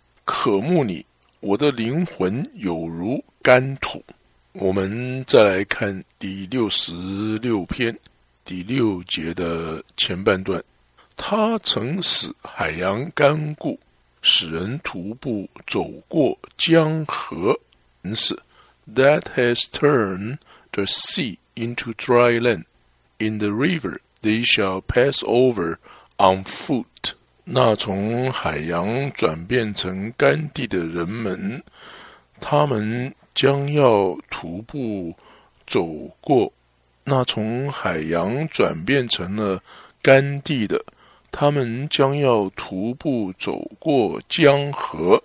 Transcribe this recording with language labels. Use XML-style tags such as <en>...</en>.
<zh>渴慕你，我的灵魂有如干土。我们再来看第66篇第6节的前半段。他曾使海洋干固，使人徒步走过江河。</zh> <en>That has turned the sea into dry land. In the river they shall pass over on foot.</en> <zh>那从海洋转变成干地的人们，他们将要徒步走过。那从海洋转变成了干地的，他们将要徒步走过江河。</zh>